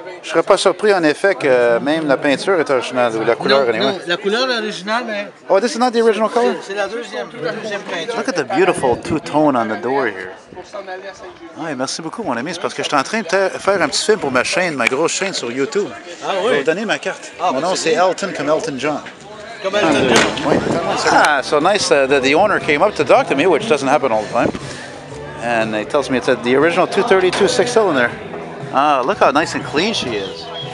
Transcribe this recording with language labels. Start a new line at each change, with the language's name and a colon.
French: Je ne serais pas surpris, en effet, que même la peinture est originale, ou la couleur, non,
English: anyway.
French: Non, la couleur est originale, mais...
English: Oh, this is not the original color?
French: C'est la deuxième peinture.
English: Look at the beautiful two-tone on the door here.
French: Oui, merci beaucoup, mon ami. C'est parce que je suis en train de faire un petit film pour ma chaîne, ma grosse chaîne sur YouTube. Ah oui? Je vais donner ma carte. Ah, mon nom, c'est Elton, comme Elton John. Comme Elton John.
English: Ah, so nice that the owner came up to talk to me, which doesn't happen all the time. And it tells me it's the original 232 six-cylinder. Ah, look how nice and clean she is.